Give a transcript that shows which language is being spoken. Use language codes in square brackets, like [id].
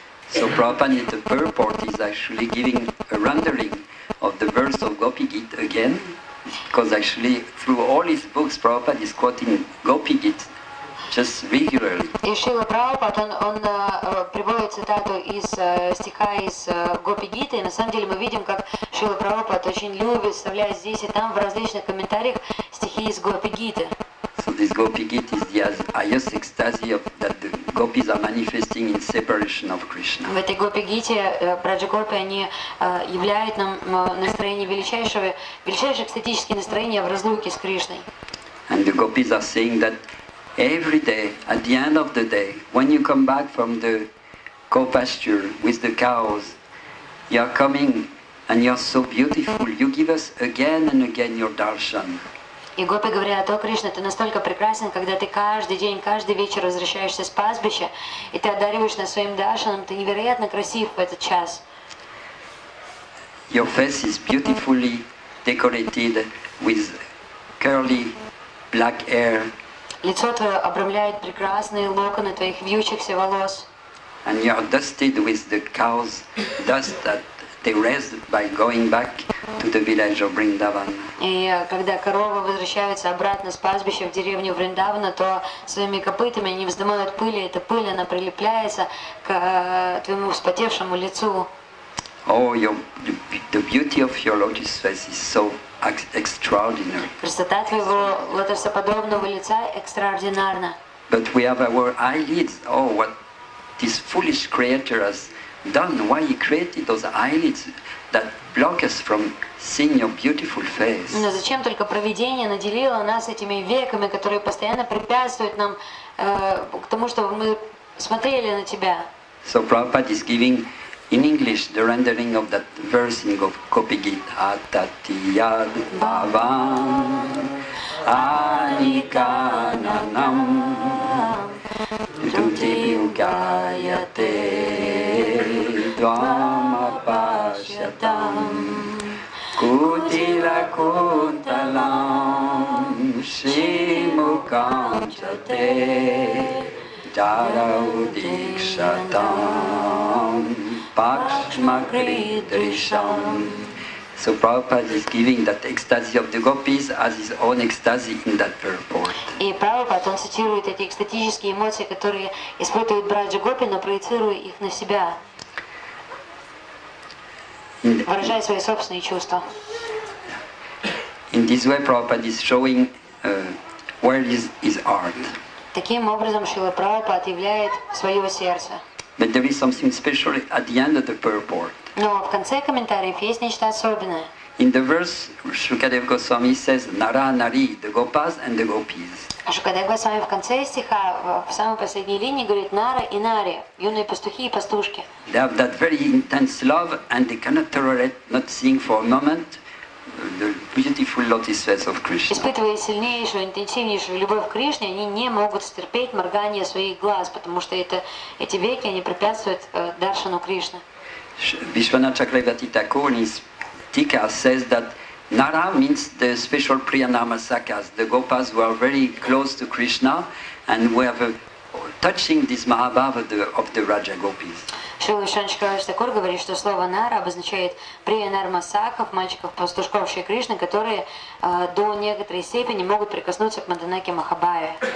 [en] So Prabhupada, the purport is actually giving a rendering of the verse of Gopi Gita again, because actually through all his books, Prabhupada is quoting Gopi Gita. Just regularly. [ru] И Шрила Прабхупад, он приводит цитату из стиха из Гопи Гиты. На самом деле мы видим, как Шрила Прабхупад очень любит вставлять здесь и там в различных комментариях стихи из Гопи Гиты. [en] So this Gopi Gita is the highest ecstasy of that the gopis are manifesting in separation of Krishna. [ru] В этой Гопи Гите Браджагопи они являют нам настроение величайшее экстатическое настроение в разлуке с Кришной. [en] And the gopis are saying that every day, at the end of the day, when you come back from the co-pasture with the cows, you are coming and you are so beautiful. You give us again and again your darshan. [ru] И гопи говорят, о, Кришна, ты настолько прекрасен, когда ты каждый день, каждый вечер возвращаешься с пастбища, и ты одариваешь нас своим даршаном, ты невероятно красив в этот час. [en] Your face is beautifully decorated with curly black hair. [ru] Лицо твое обрамляет прекрасные локоны твоих вьющихся волос. [en] And you are dusted with the cow's dust that they raised by going back to the village of Vrindavan. [ru] И когда корова возвращается обратно с пастбища в деревню Вриндавана, то своими копытами они вздымают пыль, и эта пыль она прилипается к твоему вспотевшему лицу. [en] Oh, the beauty of your lotus face is so extraordinary. [ru] Красота твоего лотосоподобного лица экстраординарна. [en] But we have our eyelids. Oh, what this foolish creator has done! Why he created those eyelids that block us from seeing your beautiful face? [ru] Но зачем только провидение наделило нас этими веками, которые постоянно препятствуют нам к тому, чтобы мы смотрели на тебя? [en] So Prabhupada is giving. In English, the rendering of that verse in Gopi Gita, [sa] Atatiyad Bhavan Anikananam Dutiyugayate Dvamapashyatam Kutilakuntalam Shimukanchate Jaraudikshatam [en] So Prabhupada is giving that ecstasy of the gopis as his own ecstasy in that purport. [ru] И Прабхупада он цитирует эти экстатические эмоции, которые испытывают браджа гопи, но проецируя их на себя, выражая свои собственные чувства. [en] In this way, Prabhupada is showing where is his heart. [ru] Таким образом, Шрила Прабхупада являет свое сердце. [en] But there is something special at the end of the purport. [ru] Но в конце комментариев есть нечто особенное. [en] In the verse, Shukadev Goswami says, "Nara nari, the gopas and the gopis." [ru] А Шукадев Госвами в конце стиха, в самой последней линии, говорит "Nara и nari, юные пастухи и пастушки." [en] They have that very intense love, and they cannot tolerate not seeing for a moment the beautiful lotus face of Krishna. [ru] Испытывая сильнейшую, интенсивнейшую любовь к Кришне, они не могут стерпеть моргание своих глаз, потому что эти веки они препятствуют даршану Кришны. [en] Vishwanatha Chakravarti Thakur in his Tika says that Nara means the special Priyanamasakas, the gopas who are very close to Krishna and who have touching this Mahabhava of the Raja Gopis. [ru] Шрила Шанчакравич Такур говорит, что слово Нара обозначает Приянармасаков, мальчиков-пастушков Шри Кришны, которые до некоторой степени могут прикоснуться к Маданаке Махабаве.